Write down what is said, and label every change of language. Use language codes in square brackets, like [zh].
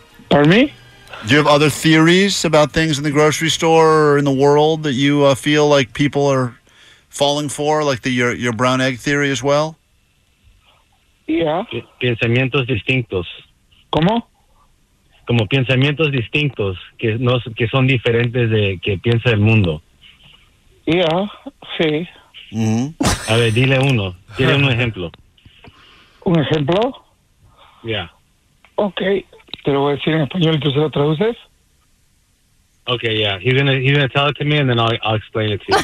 [en] Pardon me? Do you have other theories about things in the grocery store or in the world that you feel like people are falling for, like your brown egg theory as well? Yeah. [es] Pensamientos distintos. ¿Cómo? Como pensamientos distintos que son diferentes de que piensa el mundo. [en] Yeah, [es] sí. Mm-hmm. A ver, dile un ejemplo. ¿Un ejemplo? [en] Yeah. [es] Okay, te lo voy a decir en español y tú se lo traduces. [en] Okay, yeah. He's gonna tell it to me and then I'll explain it to you.